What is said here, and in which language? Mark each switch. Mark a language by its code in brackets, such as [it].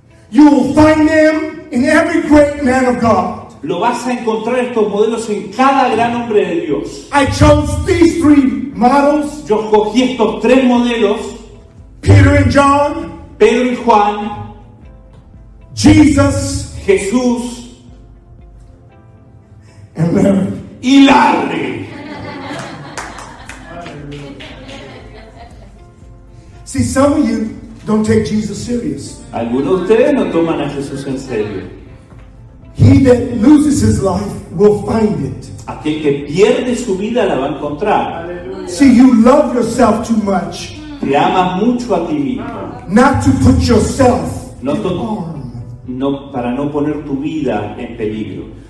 [en] You will find them in every great man of God. [es] Lo vas a encontrar estos modelos en cada gran hombre de Dios. [en] I chose these three models. [es] Yo escogí estos tres modelos. [en] Peter and John. [es] Pedro y Juan. [en] Jesus. [es] Jesús. [en] And Larry. [es] Y Larry. [en] See, some of you don't take Jesus serious. [es] Algunos de ustedes no toman a Jesús en serio. [en] He that loses his life will find it. [es] Aquel que pierde su vida la va a encontrar. [en] See, you love yourself too much. [es] Te amas mucho a ti mismo. [en] Not to put yourself in harm. [es] No, para no poner tu vida en peligro.